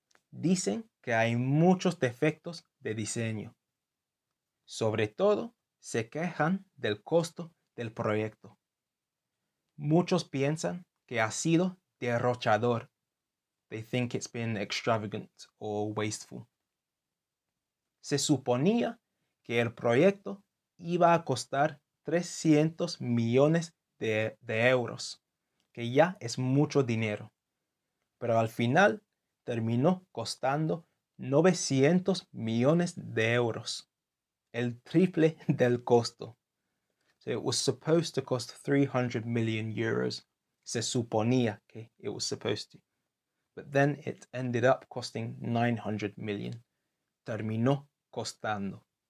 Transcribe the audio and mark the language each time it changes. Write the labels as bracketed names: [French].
[Spanish] Dicen que hay muchos defectos de diseño. Sobre todo, se quejan del costo del proyecto. Muchos piensan que ha sido derrochador. [English] They think it's been extravagant or wasteful. [Spanish] Se suponía que el proyecto iba a costar 300 millones de euros, que ya es mucho dinero. Pero al final terminó costando 900 millones de euros, el triple del costo. [English] So it was supposed to cost 300 million euros. [Spanish] Se suponía que [English] it was supposed to. But then it ended up costing 900 million. [Spanish] Terminó costando.